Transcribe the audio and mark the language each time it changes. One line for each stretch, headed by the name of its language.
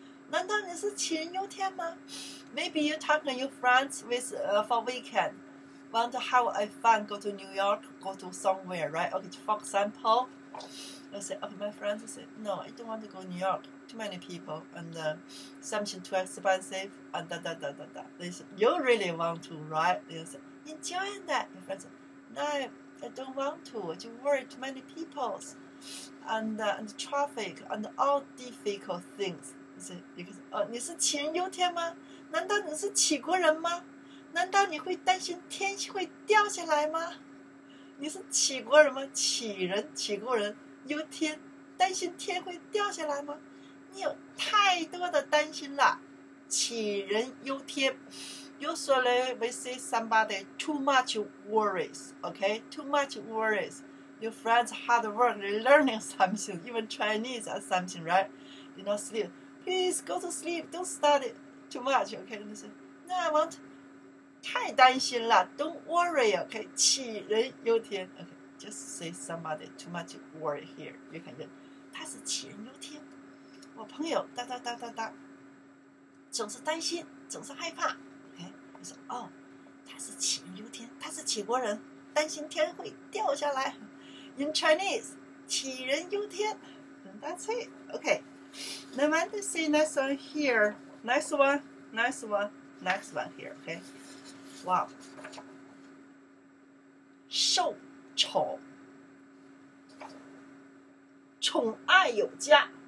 Chinese: 难道你是杞人忧天吗
English: Maybe you're talking to your friends with, for weekend want to have a fun go to New York go to somewhere right OK for example I say OK my friends say no I don't want to go to New YorkToo many people and something too expensive and da da da da da. They say, you really want to, right? They say, enjoy that. Your friends say, no, I don't want to. I just worry too many people and traffic and all difficult things. You say, because,
Chinese: 你是杞人忧天吗？难道你是杞国人吗？难道你会担心天会掉下来吗？你是杞国人吗？杞人，杞国人，忧天，担心天会掉下来吗？你有太多的担心了，杞人忧天。
English: Usually we see somebody too much worries, okay? Too much worries. Your friends hard work, they're learning something, even Chinese or something, right? You know, sleep. Please go to sleep, don't study too much, okay? And they say, no, I won't.
Chinese: 太担心了
English: don't worry, okay?
Chinese: 杞人忧天。
English: Okay, just say somebody too much worry here. You can get,
Chinese: 他是杞人忧天。我朋友哒哒哒哒哒，总是担心，总是害怕。 Okay? 我说哦，他是杞人忧天，他是杞国人，担心天会掉下来。
English: In Chinese,
Chinese: 杞人忧天。
English: That's it. Okay. Then I want to see next one here. Next one, next one, next one here. Okay. Wow.
Chinese: 受宠，宠爱有加。